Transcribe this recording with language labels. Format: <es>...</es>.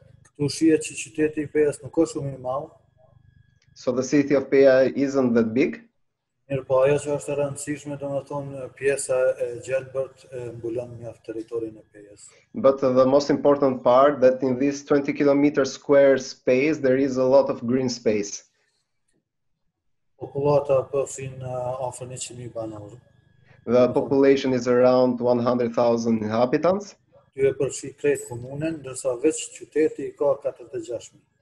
<sq>Ktu shihet që qyteti I Pesë nuk është shumë I madh.</sq> <en>So the city of Peja isn't that big.</en> <sq>Mirpo ajo që është e rëndësishme domethënë pjesa e gjelbërt mbulon mjaft territorin e Pejës.</sq> <en>But the most important part that in this 20 kilometer square space there is a lot of green space.</en> <sq>Popullata përfshin afër 100,000 banorë.</sq> <en>The population is around 100,000 inhabitants.</en> <sq>Ky e përfshin krejt komunën, ndërsa vetë qyteti ka 46,000.</sq>